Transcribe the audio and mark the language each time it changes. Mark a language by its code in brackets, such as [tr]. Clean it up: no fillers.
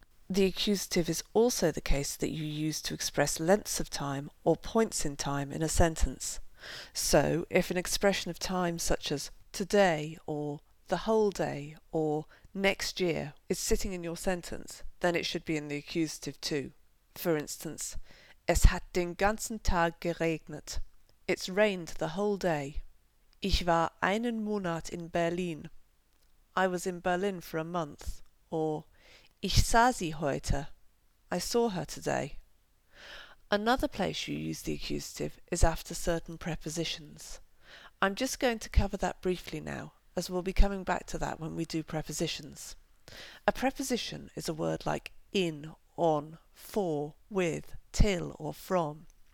[en] The accusative is also the case that you use to express lengths of time or points in time in a sentence. So, if an expression of time such as today or the whole day or next year is sitting in your sentence, then it should be in the accusative too. For instance, [de] Es hat den ganzen Tag geregnet. [en] It's rained the whole day. [de] Ich war einen Monat in Berlin. [en] I was in Berlin for a month, or [de] Ich sah sie heute. [en] I saw her today. Another place you use the accusative is after certain prepositions. I'm just going to cover that briefly now, as we'll be coming back to that when we do prepositions. A preposition is a word like in, on, for, with, till, or from.